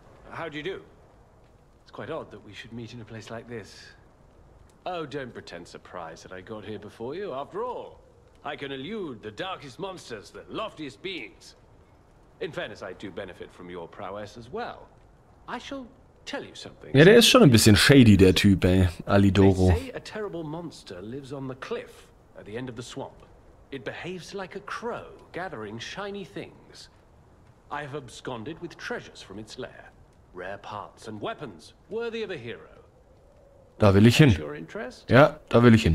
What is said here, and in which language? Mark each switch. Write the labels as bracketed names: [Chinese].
[English] How do you do? It's quite odd that we should meet in a place like this. Oh, don't pretend surprised that I got here before you. After all, I can elude the darkest monsters, the loftiest beings. In fairness, I do benefit from your prowess as well. I shall tell you something. [German] Ja, der ist schon ein bisschen shady, der Typ, ey. Alidoro. [English] They say a terrible monster lives on the cliff at the end of the swamp. It behaves like a crow, gathering shiny things. I have absconded with treasures from its lair. Rare parts and weapons worthy of a hero. [German] Da will ich hin. Ja, da will ich hin.